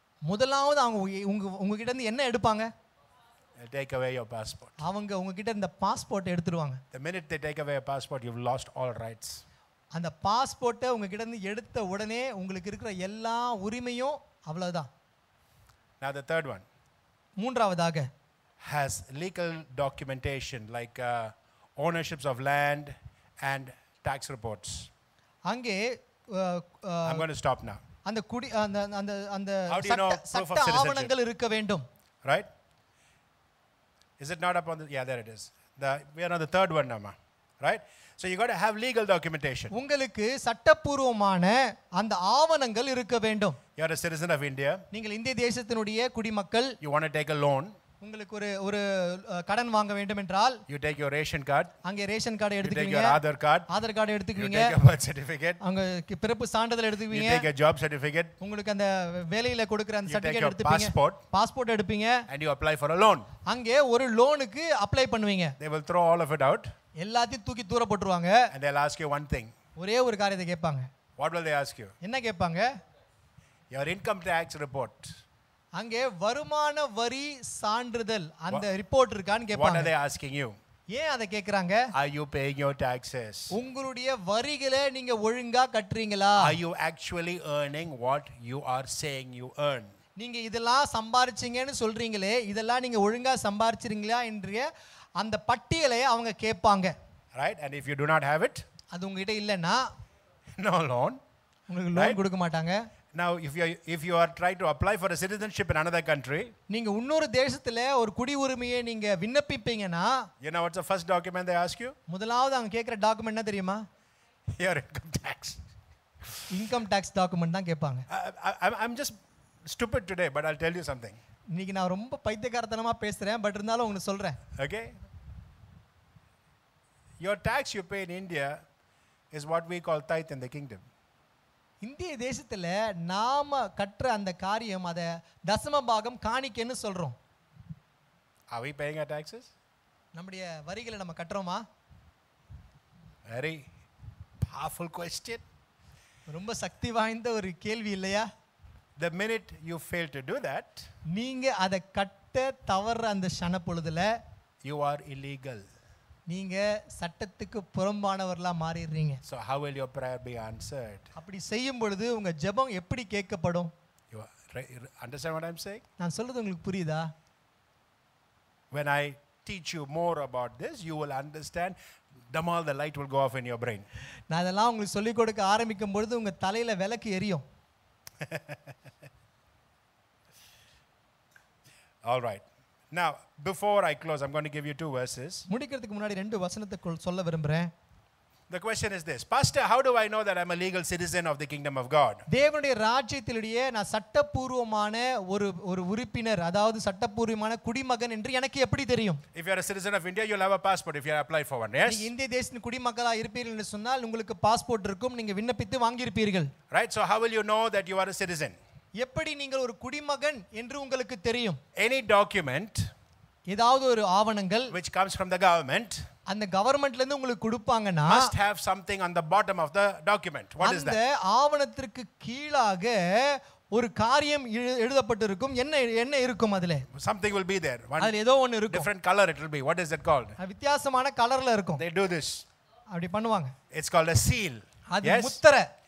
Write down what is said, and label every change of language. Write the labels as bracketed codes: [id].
[ta] முதலாவது அவங்க உங்ககிட்ட இருந்து என்ன எடுப்பாங்க? [en] They'll take away your passport. [ta] அவங்க உங்ககிட்ட இருந்த பாஸ்போர்ட் எடுத்துருவாங்க. [en] The minute they take away your passport, you've lost all rights. [ta] அந்த பாஸ்போர்ட்டை உங்ககிட்ட இருந்து எடுத்த உடனே உங்களுக்கு இருக்கிற எல்லா உரிமையும் அவ்வளவுதான். [en] Now the third one. [ta] மூன்றாவதாக, [en] has legal documentation like ownerships of land and tax reports. [ta] அங்கே [en] I'm going to stop now. [ta] அந்த குடி அந்த அந்த அந்த சட்ட ஆவணங்கள் இருக்க வேண்டும். [en] Right? Is it not up on the, yeah, there it is. The, we are on the third one, Nama. Right? So you got to have legal documentation. [ta] உங்களுக்கு சட்டப்பூர்வமான அந்த ஆவணங்கள் இருக்க வேண்டும். [en] You are a citizen of India. [ta] நீங்கள் இந்திய தேசத்தினுடைய குடிமக்கள். [en] You want to take a loan. [ta] உங்களுக்கு ஒரு ஒரு கடன் வாங்க வேண்டும் என்றால் [en] you take your ration card. [ta] அங்க ration card எடுத்துக்கிங்க. [en] You take your aadhar card. [ta] Aadhaar card எடுத்துக்கிங்க. [en] You take a birth certificate. [ta] அங்க பிறப்பு சான்றிதழ் எடுத்துக்கிங்க. [en] You take a job certificate. [ta] உங்களுக்கு அந்த வேலையில கொடுக்கிற அந்த certificate எடுத்துப்பீங்க. [en] You take your passport. [ta] Passport எடுப்பீங்க. [en] And you apply for a loan. [ta] அங்க ஒரு லோனுக்கு அப்ளை பண்ணுவீங்க. [en] They will throw all of it out. [ta] எல்லாத்தையும் தூக்கி தூர போட்டுருவாங்க. [en] And they'll ask you one thing. [ta] ஒரே ஒரு காரியத்தை கேட்பாங்க. [en] What will they ask you? [ta] என்ன கேட்பாங்க? [en] Your income tax report. [ta] அங்கே வருமான வரி சான்றிதழ் அந்த ரிப்போர்ட் இருக்கான்னு கேட்பாங்க. [en] What are they asking you? [ta] ஏன் அதை கேக்குறாங்க? [en] Are you paying your taxes? [ta] உங்களுடைய வரிகளை நீங்க ஒழுங்கா கட்டுறீங்களா? [en] Are you actually earning what you are saying you earn? [ta] நீங்க இதெல்லாம் சம்பாதிச்சீங்கன்னு சொல்றீங்களே, இதெல்லாம் நீங்க ஒழுங்கா சம்பாதிச்சிருக்கீங்களா என்ற அந்த பட்டியலை அவங்க கேட்பாங்க. [en] Right? And if you do not have it? [ta] அது உங்ககிட்ட இல்லனா [en] no loan. [ta] உங்களுக்கு லோன் கொடுக்க மாட்டாங்க. [en] Now if you are trying to apply for a citizenship in another country, [ta] நீங்க இன்னொரு தேசத்துல ஒரு குடியுரிமையை நீங்க விண்ணப்பிப்பீங்கனா, [en] you know what's the first document they ask you? [ta] முதலாவது அவங்க கேக்குற டாக்குமெண்ட் என்ன தெரியுமா? [en] Your income tax. [ta] Income tax document தான் கேட்பாங்க. [en] I'm just stupid today, but I'll tell you something. [ta] இன்னைக்கு நான் ரொம்ப பைத்தியக்காரத்தனமா பேசுறேன், பட் இருந்தாலும் உங்களுக்கு சொல்றேன். [en] Okay. Your tax you pay in India is what we call tithe in the kingdom. [ta] இந்திய தேசத்தில் நாம கற்ற அந்த காரியம் அதை தசம பாகம் காணிக்கன்னு சொல்றோம். [en] Are we paying our taxes? [ta] நம்முடைய வரிகளை நம்ம கட்டுறோமா? [en] Very powerful question. [ta] ரொம்ப சக்தி வாய்ந்த ஒரு கேள்வி இல்லையா? [en] The minute you fail to do that, [ta] நீங்க அதை கட்ட தவற அந்த சன பொழுதுல [en] you are illegal. [ta] நீங்க சட்டத்துக்கு புறம்பானவர்களா மாறிடுறீங்க. [en] So how will your prayer be answered? [ta] அப்படி செய்யும் பொழுது உங்க ஜெபம் எப்படி கேட்கப்படும்? [en] You understand what I'm saying? [ta] நான் சொல்றது உங்களுக்கு புரியுதா? [en] When I teach you more about this, you will understand. Damn, all the light will go off in your brain. [ta] நான் இதெல்லாம் உங்களுக்கு சொல்லி கொடுக்க ஆரம்பிக்கும் பொழுது உங்க தலையில விளக்கு எரியும். [en] All right. Now, before I close, I'm going to give you two verses. [ta] முடிக்கிறதுக்கு முன்னாடி ரெண்டு வசனத்தை சொல்ல விரும்பறேன். [en] The question is this. Pastor, how do I know that I'm a legal citizen of the kingdom of God? [ta] தேவனுடைய ராஜ்யத்திலே நான் சட்டபூர்வமான ஒரு ஒரு உறுப்பினர், அதாவது சட்டபூர்வமான குடிமகன் என்று எனக்கு எப்படி தெரியும்? [en] If you are a citizen of India, you'll have a passport if you apply for one. Yes. [ta] நீங்க இந்திய தேசத்தின் குடிமக்களா இருப்பீர்கள் என்று சொன்னால் உங்களுக்கு பாஸ்போர்ட் இருக்கும், நீங்க விண்ணப்பித்து வாங்கியிருப்பீர்கள். [en] Right, so how will you know that you are a citizen? [ta] எப்படி நீங்கள் ஒரு குடிமகன் என்று உங்களுக்கு தெரியும்? [en] Any document, [ta] ஏதாவது ஒரு ஆவணங்கள், [en] which comes from the government, [ta] அந்த கவர்மெண்ட்ல இருந்து உங்களுக்கு கொடுப்பாங்கனா, [en] must have something on the bottom of the document. What is that? [ta] அந்த ஆவணத்திற்கு கீழாக ஒரு காரியம் எழுதப்பட்டிருக்கும். என்ன என்ன இருக்கும் அதுல? [en] Something will be there. [ta] அதுல ஏதோ ஒன்னு இருக்கும். [en] Different color it will be. What is that called? [ta] வித்தியாசமான கலர்ல இருக்கும். [en] They do this. [ta] அப்படி பண்ணுவாங்க. [en] It's called a seal. [ta] அது முத்திரை.